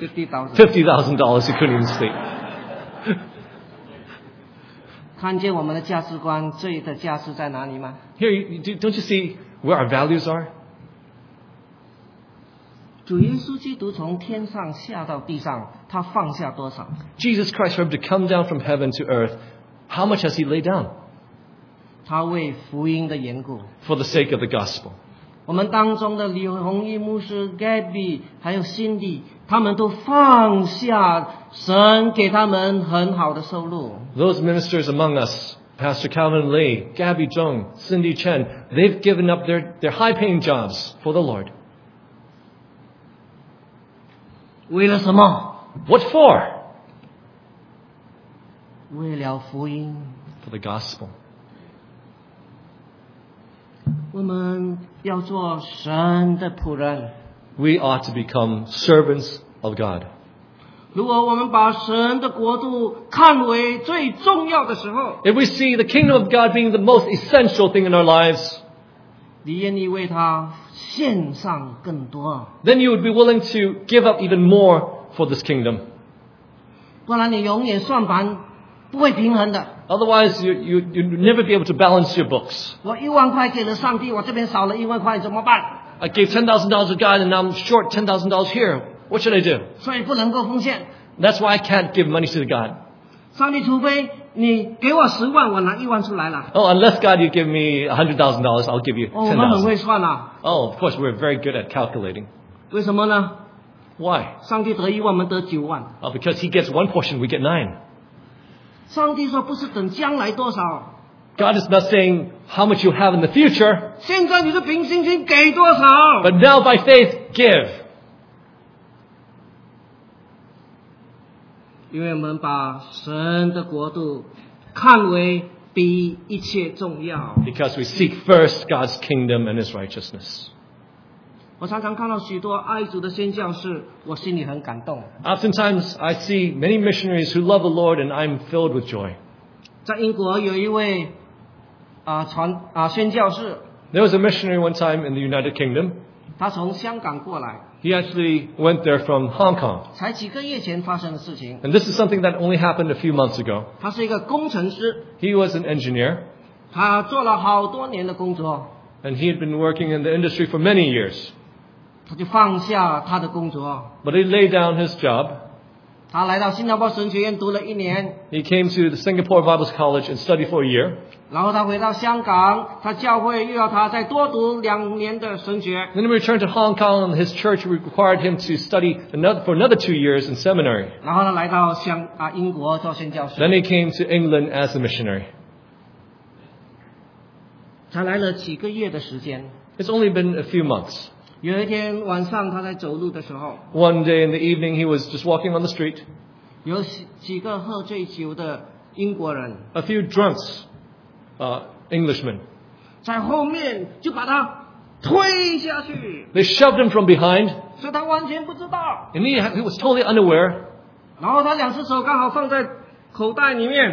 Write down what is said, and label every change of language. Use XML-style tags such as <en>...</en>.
<en>$50,000, you couldn't even sleep.</en> <zh>看见我们的价值观，罪的价值在哪里吗？</zh> <en>Here, don't you see where our values are?</en> <zh>主耶稣基督从天上下到地上，他放下多少？</zh> <en>Jesus Christ for him to come down from heaven to earth, how much has he laid down?</en> <zh>他为福音的缘故。</zh> <en>For the sake of the gospel.</en> <zh>我们当中的李弘毅牧师、Gabby 还有 Cindy， 他们都放下神给他们很好的收入。</zh> <en>Those ministers among us, Pastor Calvin Lee, Gabby Zhong, Cindy Chen, they've given up their high-paying jobs for the Lord.</en> <zh>为了什么？</zh> <en>What for?</en> <zh>为了福音。</zh> <en>For the gospel.</en> <zh>我们要做神的仆人。</zh> <en>We ought to become servants of God.</en> <zh>如果我们把神的国度看为最重要的时候，</zh> <en>If we see the kingdom of God being the most essential thing in our lives,</en> <zh>你愿意为他献上更多。</zh> <en>Then you would be willing to give up even more for this kingdom.</en> <zh>不然你永远算盘不会平衡的。</zh> <en>Otherwise, you'd never be able to balance your books.</en> <zh>我一万块给了上帝，我这边少了一万块怎么办？</zh> <en>I gave $10,000 to God and I'm short $10,000 here. What should I do?</en> <zh>所以不能够奉献。</zh> <en>That's why I can't give money to the God.</en> <zh>上帝除非你给我十万，我拿一万出来了。</zh> <en>Oh, unless God you give me $100,000, I'll give you $10,000.</en> <zh>我们很会算啊。</zh> <en>Oh, of course, we're very good at calculating.</en> <zh>为什么呢？</zh> <en>Why?</en> <zh>上帝得一万，我们得九万。</zh> <en>Oh, because he gets one portion, we get nine.</en> <zh>上帝说不是等将来多少。</zh> <en>God is not saying how much you have in the future.</en> <zh>现在你是凭信心给多少。</zh> <en>But now by faith, give.</en> <zh>因为我们把神的国度看为比一切重要。</zh> <en>Because we seek first God's kingdom and His righteousness.</en> <zh>我常常看到许多爱主的宣教士，我心里很感动。</zh> <en>Oftentimes, I see many missionaries who love the Lord and I'm filled with joy.</en> <zh>在英国有一位宣教士。</zh> <en>There was a missionary one time in the United Kingdom.</en> <zh>他从香港过来。</zh> <en>He actually went there from Hong Kong.</en> <zh>才几个月前发生的事情。</zh> <en>And this is something that only happened a few months ago.</en> <zh>他是一个工程师。</zh> <en>He was an engineer.</en> <zh>他做了好多年的工作。</zh> <en>And he had been working in the industry for many years.</en> <zh>他就放下他的工作。</zh> <en>But he laid down his job.</en> <zh>他来到新加坡神学院读了一年。</zh> <en>He came to the Singapore Bible College and studied for a year.</en> <zh>然后他回到香港，他教会又要他再多读两年的神学。</zh> <en>Then he returned to Hong Kong, and his church required him to study for another 2 years in seminary.</en> <zh>然后他来到英国做宣教士。</zh> <en>Then he came to England as a missionary.</en> <zh>才来了几个月的时间。</zh> <en>It's only been a few months.</en> <zh>有一天晚上他在走路的时候。</zh> <en>One day in the evening, he was just walking on the street.</en> <zh>有几个喝醉酒的英国人。</zh> <en>A few drunks. Englishman.</en> <zh>在后面就把他推下去。</zh> <en>They shoved him from behind.</en> <zh>所以他完全不知道。</zh> <en>And he was totally unaware.</en> <zh>然后他两只手刚好放在口袋里面。</zh>